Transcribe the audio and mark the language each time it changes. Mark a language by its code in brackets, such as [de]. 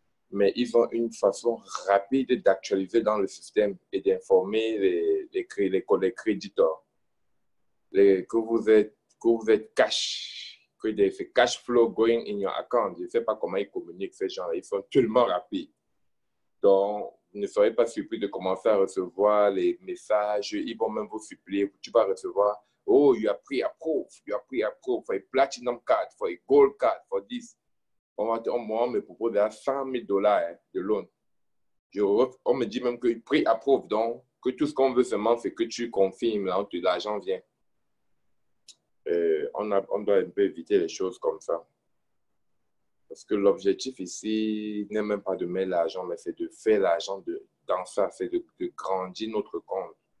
[fr] Mais ils ont une façon rapide d'actualiser dans le système et d'informer les créditeurs. Que vous êtes cash, que des [en] cash flow going in your account. [fr] Je ne sais pas comment ils communiquent, ces gens-là. Ils sont tellement rapides. Donc, ne soyez pas surpris de commencer à recevoir les messages. Ils vont même vous supplier. Tu vas recevoir, [en] oh, you are pre-approved. You are pre-approved for a platinum card, for a gold card, for this. [fr] On me propose à 100 000 $ de loan. On me dit même que pré-approuve, donc que tout ce qu'on veut seulement, c'est que tu confirmes, là, que l'argent vient. On doit un peu éviter les choses comme ça. Parce que l'objectif ici n'est même pas de mettre l'argent, mais c'est de faire l'argent dans ça, c'est de grandir notre compte.